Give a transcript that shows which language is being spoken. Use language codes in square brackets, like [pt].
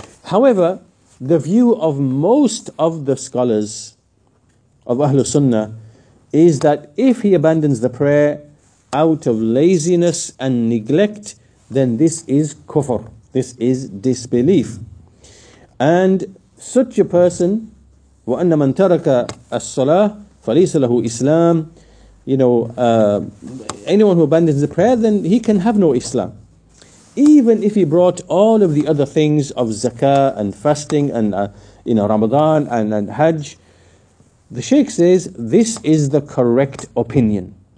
[en] However, the view of most of the scholars of Ahlul Sunnah is that if he abandons the prayer out of laziness and neglect, then this is kufr, this is disbelief. And such a person, [ar] وَأَنَّ مَنْ تَرَكَ الصَّلَاةِ فَلَيْسَ لَهُ إِسْلَامِ. [en] You know, anyone who abandons the prayer, then he can have no Islam. Even if he brought all of the other things of zakah and fasting and Ramadan and Hajj, the Shaykh says, this is the correct opinion.